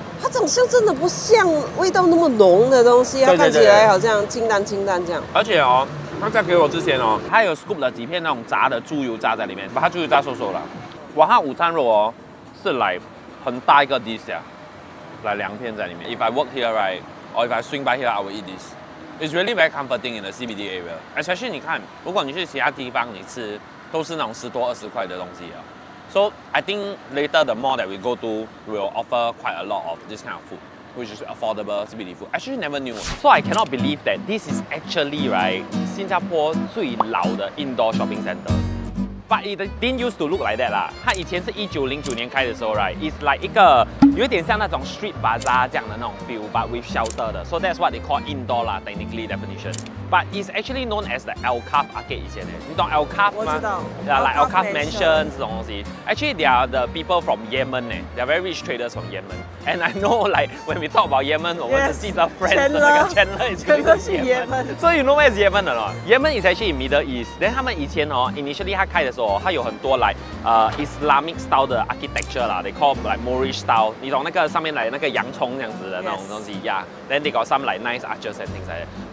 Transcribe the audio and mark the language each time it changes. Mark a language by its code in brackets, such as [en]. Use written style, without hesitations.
[zh] 它长相真的不像味道那么浓的东西，它看起来好像清淡清淡这样。而且哦，它在给我之前哦，它有 scoop 了几片那种炸的猪油渣在里面，把它猪油渣收了。哇，它午餐肉哦，是来很大一个 dish 啊，来两片在里面。 [en] If I work here, right, or if I swing by here, I will eat this. It's really very comforting in the CBD area. [zh] Especially 你看，如果你去其他地方，你吃都是那种十多二十块的东西啊。 [en] So I think later the mall that we go to will offer quite a lot of this kind of food. Which is affordable CBD food. Actually, never knew. So I cannot believe that this is actually right, [zh] 新加坡最老的 [en] indoor shopping center. But it didn't used to look like that lah. [zh] 它以前是1909年开的时候 [en] right, it's like [zh] 一个有点像那种 [en] street bazaar [zh] 这样的那种 [en] feel, but with shelter 的 So that's what they call indoor lah, technically definition. But it's actually known as the Alcove Arcade 以前的。 [zh] 你懂 Alcove 吗？我知道。 [en] Yeah, like Alcove Mansion [zh] 这种东西。 [en] Actually, they are the people from Yemen. Eh, they are very rich traders from Yemen. And I know, like when we talk about Yemen, yes, [zh] 我们只记得 friends 的那个 Chandler is [en] from Yemen. So you know where is Yemen or not? Yemen is actually in Middle East. Then [zh] 他们以前哦 [en] ，initially [zh] 他开的时候，他有很多 [en] like Islamic style 的 architecture 啦 ，they call like Moorish style. [zh] 你懂那个上面来那个洋葱这样子的那种东西 [en] yes. ，Yeah. Then they got some like nice arches and things like that.